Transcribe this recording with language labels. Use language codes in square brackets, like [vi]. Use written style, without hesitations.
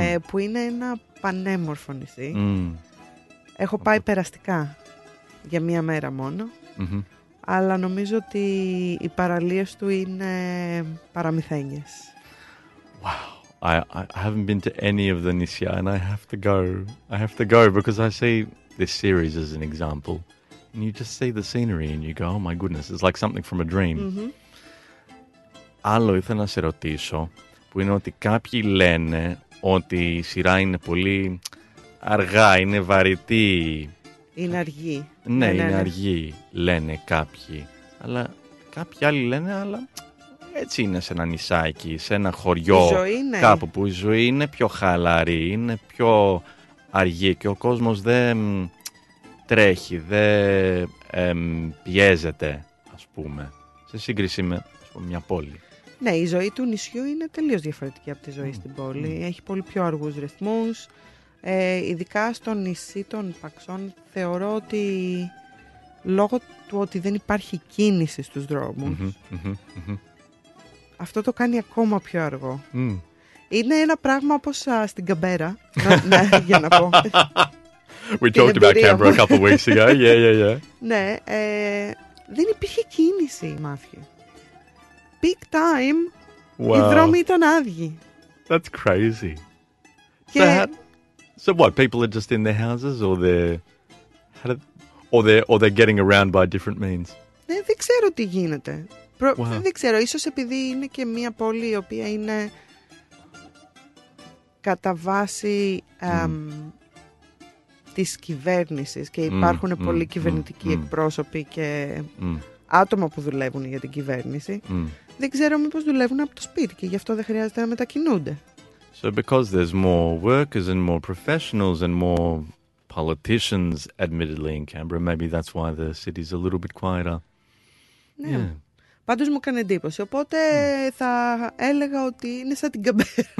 [el] Που είναι ένα πανέμορφο νησί. Έχω πάει περαστικά για μία μέρα μόνο. Αλλά νομίζω ότι οι παραλίες του είναι παραμυθένιες. [en] I haven't been to any of the Nisya, and I have to go. I have to go because I see this series as an example. And you just see the scenery and you go, oh my goodness, it's like something from a dream. Mm-hmm. [el] Άλλο ήθελα να σε ρωτήσω, που είναι ότι κάποιοι λένε ότι η σειρά είναι πολύ αργά, είναι βαρετή. Είναι αργή. Ναι, είναι αργή, λένε κάποιοι. Αλλά κάποιοι άλλοι λένε, αλλά έτσι είναι σε ένα νησάκι, σε ένα χωριό, κάπου που η ζωή είναι πιο χαλαρή, είναι πιο αργή και ο κόσμος δεν τρέχει, δεν πιέζεται, ας πούμε, σε σύγκριση με, ας πούμε, μια πόλη. Ναι, η ζωή του νησιού είναι τελείως διαφορετική από τη ζωή στην πόλη. Έχει πολύ πιο αργούς ρυθμούς. Ειδικά στο νησί των Παξών θεωρώ ότι λόγω του ότι δεν υπάρχει κίνηση στους δρόμους, αυτό το κάνει ακόμα πιο αργό. Είναι ένα πράγμα όπως στην Καμπέρα, για να πω. [en] We talked about Canberra a couple of weeks ago. Yeah. [el] Ναι, δεν υπήρχε κίνηση, Μάθιο. [en] Big time, wow. [el] Οι δρόμοι ήταν άδειοι. [en] That's crazy. Και so what, people are just in their houses or they're getting around by different means? [el] Ναι, δεν ξέρω τι γίνεται. Δεν ξέρω, ίσως επειδή είναι και μια πόλη η οποία είναι κατά βάση της κυβέρνησης και υπάρχουν πολλοί κυβερνητικοί εκπρόσωποι και άτομα που δουλεύουν για την κυβέρνηση. Δεν ξέρω μήπως δουλεύουν από το σπίτι και γι' αυτό δεν χρειάζεται να μετακινούνται. [en] So because there's more workers and more professionals and more politicians admittedly in Canberra, maybe that's why the city's a little bit quieter. [el] Ναι. Πάντως μου έκανε εντύπωση. Οπότε θα έλεγα ότι είναι σαν την Καμπέρα.